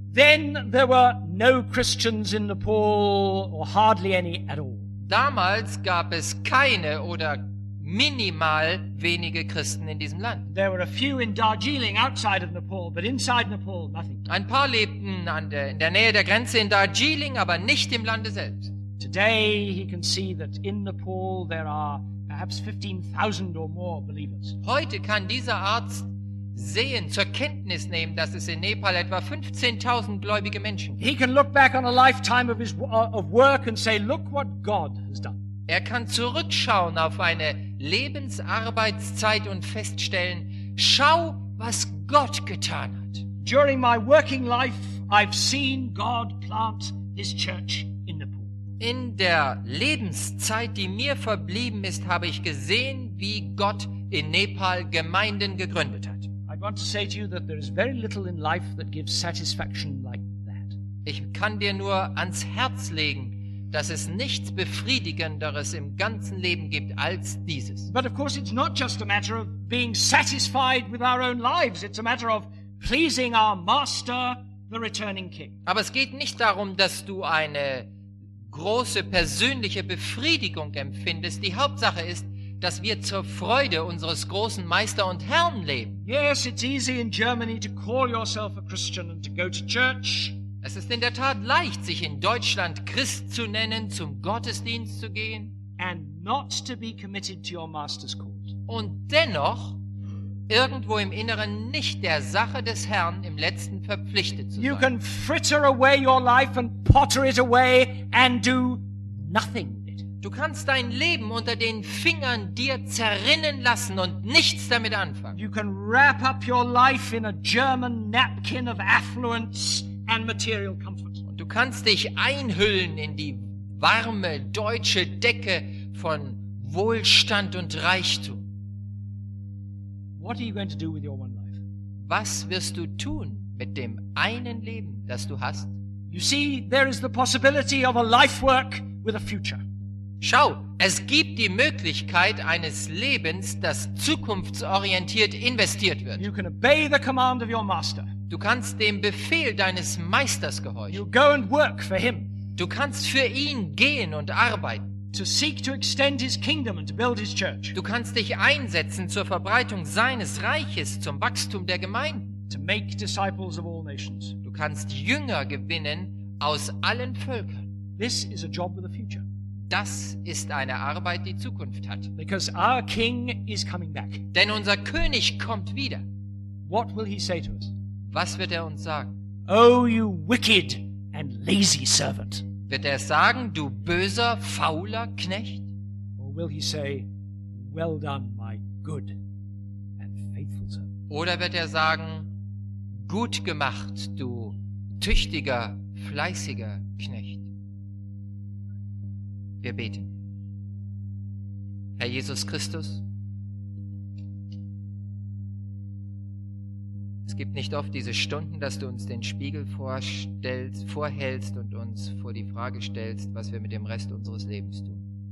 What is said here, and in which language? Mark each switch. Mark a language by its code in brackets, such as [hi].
[en] Then there were no Christians in Nepal or hardly any at all. [de] Damals gab es keine oder minimal wenige Christen in diesem Land. [en] There were a few in Darjeeling outside of Nepal, but inside Nepal nothing. [de] Ein paar lebten in der Nähe der Grenze in Darjeeling, aber nicht im Lande selbst. [en] Today he can see that in Nepal there are perhaps 15,000 or more believers. [de] Heute kann dieser Arzt sehen, zur Kenntnis nehmen, dass es in Nepal etwa 15,000 gläubige Menschen gibt. [en] He can look back on a lifetime of his of work and say, look what God has done. [de] Er kann zurückschauen auf eine Lebensarbeitszeit und feststellen, schau, was Gott getan hat. [en] During my working life, I've seen God plant his church in Nepal. [de] In der Lebenszeit, die mir verblieben ist, habe ich gesehen, wie Gott in Nepal Gemeinden gegründet hat. [en] I want to say to you that there is very little in life that gives satisfaction like that. [de] Ich kann dir nur ans Herz legen, dass es nichts Befriedigenderes im ganzen Leben gibt als dieses. [en] But of course it's not just a matter of being satisfied with our own lives, it's a matter of pleasing our master, the returning king. [de] Aber es geht nicht darum, dass du eine große persönliche Befriedigung empfindest. Die Hauptsache ist, dass wir zur Freude unseres großen Meister und Herrn leben. [en] Yes, it's easy in Germany to call yourself a Christian and to go to church. [de] Es ist in der Tat leicht, sich in Deutschland Christ zu nennen, zum Gottesdienst zu gehen, [en] and not to be committed to your master's cause. [de] Und dennoch irgendwo im Inneren nicht der Sache des Herrn im Letzten verpflichtet zu sein. [en] You can fritter away your life and potter it away and do nothing with it. [de] Du kannst dein Leben unter den Fingern dir zerrinnen lassen und nichts damit anfangen. [en] You can wrap up your life in a German napkin of affluence and material comfort. [de] Und du kannst dich einhüllen in die warme deutsche Decke von Wohlstand und Reichtum. [en] What are you going to do with your one life? [de] Was wirst du tun mit dem einen Leben, das du hast? [en] You see, there is the possibility of a life work with a future. [de] Schau, es gibt die Möglichkeit eines Lebens, das zukunftsorientiert investiert wird. [en] You can obey the command of your master. [de] Du kannst dem Befehl deines Meisters gehorchen. [en] You go and work for him. [de] Du kannst für ihn gehen und arbeiten. [en] To seek to extend his kingdom and to build his church. [de] Du kannst dich einsetzen zur Verbreitung seines Reiches, zum Wachstum der Gemeinde. [en] To make disciples of all nations. [de] Du kannst Jünger gewinnen aus allen Völkern. [en] This is a job with the future. [de] Das ist eine Arbeit, die Zukunft hat. [en] Because our king is coming back. [de] Denn unser König kommt wieder. [en] What will he say to us? [de] Was wird er uns sagen? [en] Oh, you wicked and lazy servant. [de] Wird er sagen, du böser, fauler Knecht? [en] Or will he say, well done, my good and faithful servant? [de] Oder wird er sagen, gut gemacht, du tüchtiger, fleißiger Knecht? Wir beten. Herr Jesus Christus, es gibt nicht oft diese Stunden, dass du uns den Spiegel vorhältst und uns vor die Frage stellst, was wir mit dem Rest unseres Lebens tun.